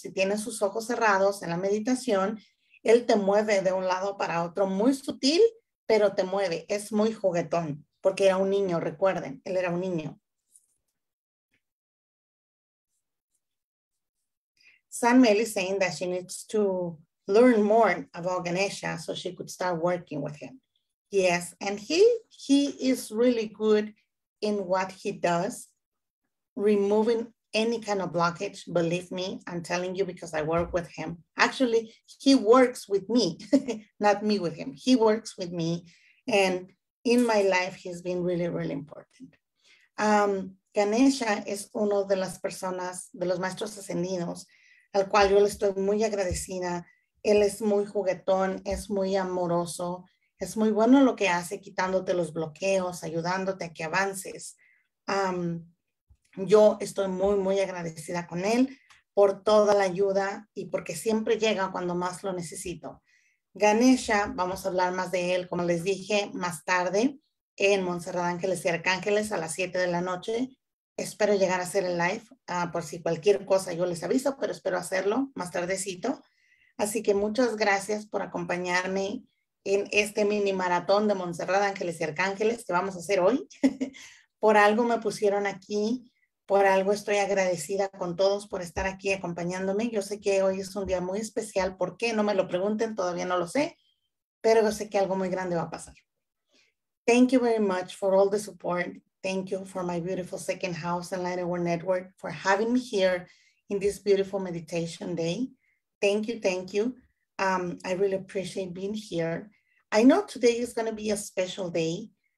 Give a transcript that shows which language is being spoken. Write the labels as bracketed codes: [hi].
[es] Si tienes sus ojos cerrados en la meditación, él te mueve de un lado para otro, muy sutil, pero te mueve. Es muy juguetón, porque era un niño, recuerden, él era un niño. [en] Sanmel is saying that she needs to learn more about Ganesha so she could start working with him. Yes, and he is really good in what he does, removing any kind of blockage, believe me, I'm telling you because I work with him. Actually, he works with me, not me with him. He works with me and in my life, he's been really, really important. [es] Ganesha es uno de las personas, de los maestros ascendidos, al cual yo le estoy muy agradecida. Él es muy juguetón, es muy amoroso, es muy bueno lo que hace, quitándote los bloqueos, ayudándote a que avances. Yo estoy muy, muy agradecida con él por toda la ayuda y porque siempre llega cuando más lo necesito. Ganesha, vamos a hablar más de él, como les dije, más tarde en Monserrat Ángeles y Arcángeles a las 7 de la noche. Espero llegar a hacer el live, por si cualquier cosa yo les aviso, pero espero hacerlo más tardecito. Así que muchas gracias por acompañarme en este mini maratón de Monserrat Ángeles y Arcángeles que vamos a hacer hoy. Por algo me pusieron aquí. Por algo estoy agradecida con todos por estar aquí acompañándome. Yo sé que hoy es un día muy especial. ¿Por qué? No me lo pregunten, todavía no lo sé. Pero yo sé que algo muy grande va a pasar. [en] Thank you very much for all the support. Thank you for my beautiful second house, Enlightened World Network, for having me here in this beautiful meditation day. Thank you, thank you. I really appreciate being here. I know today is going to be a special day.